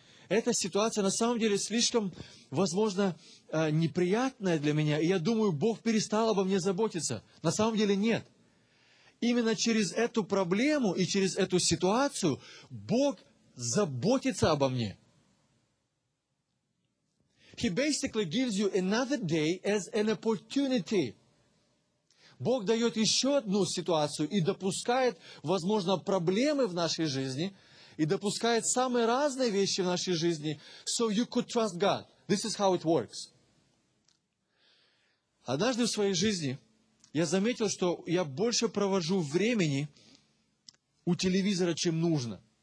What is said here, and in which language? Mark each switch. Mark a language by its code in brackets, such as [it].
[ru] Эта ситуация на самом деле слишком, возможно, неприятная для меня. И я думаю, Бог перестал обо мне заботиться. На самом деле нет. Именно через эту проблему и через эту ситуацию Бог заботится обо мне. [en] He basically gives you another day as an opportunity. [ru] Бог дает еще одну ситуацию и допускает, возможно, проблемы в нашей жизни и допускает самые разные вещи в нашей жизни. [en] So you could trust God. This is how it works. [ru] Однажды в своей жизни я заметил, что я больше провожу времени у телевизора, чем нужно.